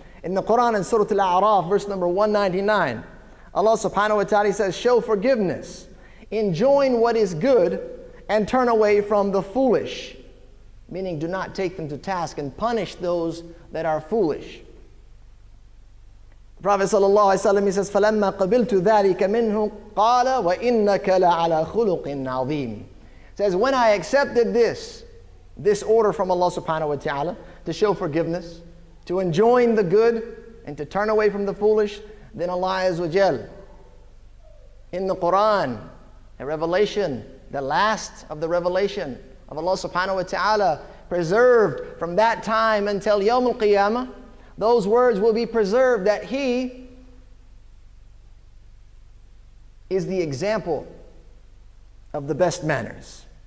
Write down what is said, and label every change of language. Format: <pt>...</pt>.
<en>In the Quran in Surah Al-A'raf, verse number 199, Allah subhanahu wa ta'ala says, show forgiveness, enjoin what is good, and turn away from the foolish. Meaning, do not take them to task and punish those that are foolish. The Prophet sallallahu alaihi wasallam, he says,</en> <ar>فَلَمَّا قَبِلْتُ ذَلِكَ مِنْهُ قَالَ وَإِنَّكَ لَعَلَى خُلُقٍ عَظِيمٍ.</ar> <en>Says, when I accepted this order from Allah subhanahu wa ta'ala, to show forgiveness, to enjoin the good, and to turn away from the foolish, then Allah Azza wa Jal, in the Quran, a revelation, the last of the revelation of Allah subhanahu wa ta'ala, preserved from that time until Yawm al-Qiyamah, those words will be preserved that He is the example of the best manners.</en>